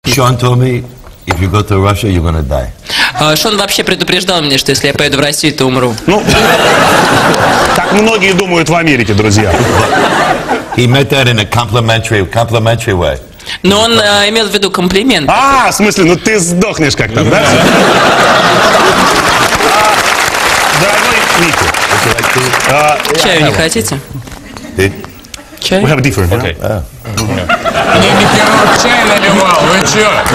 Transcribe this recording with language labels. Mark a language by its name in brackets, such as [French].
[English] Sean told me, if you go to Russia, you're gonna die. [Russian] Шон вообще предупреждал меня, что если я поеду в Россию, то умру. Ну, так многие думают в Америке, друзья. [English] He meant that in a complimentary way. [Russian] Но он имел в виду комплимент. А, в смысле, ну ты сдохнешь как-то, да? Дорогой Мити. Чаю не хотите? Чай? [English] We have a different, okay. [Russian] Мне не первый раз чай наливал, вы чё?